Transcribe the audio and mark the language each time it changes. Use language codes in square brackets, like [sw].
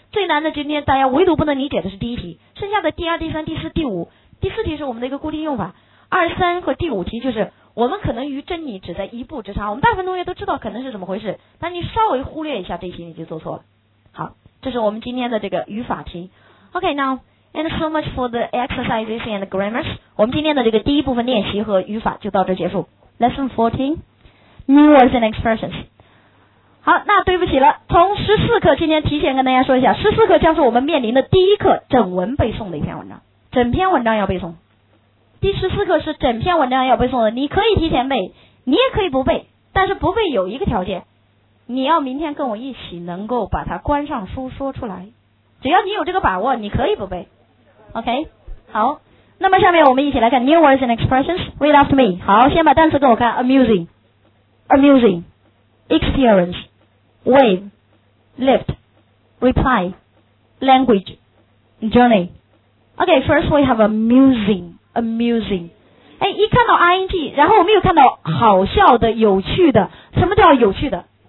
[zh] 最难的今天大家唯独不能理解的是第一题，剩下的第二、第三、第四、第五、第四题是我们的一个固定用法，二三和第五题就是我们可能与真理只在一步之差，我们大部分同学都知道可能是怎么回事，但你稍微忽略一下这题你就做错了。好，这是我们今天的这个语法题。 [en] OK now and so much for the exercises and the grammars， [zh] 我们今天的这个第一部分练习和语法就到这结束。 [en] Lesson 14 New words and expressions。 [zh] 好，那对不起了，从14课今天提前跟大家说一下，14课将是我们面临的第一课整文背诵的一篇文章，整篇文章要背诵，第14课是整篇文章要背诵的。你可以提前背，你也可以不背，但是不背有一个条件，你要明天跟我一起能够把它关上书说出来，只要你有这个把握你可以不背。 [en] OK， [zh] 好，那么下面我们一起来看 [en] New words and expressions， read after me。 [zh] 好，先把单词给我看。 [en] Amusing， Amusing， Experience， Wave， Lift， Reply， Language， Journey。 OK， first we have amusing。 [zh] Amusing， 哎，一看到 ING， 然后我们又看到好笑的、有趣的。什么叫有趣的？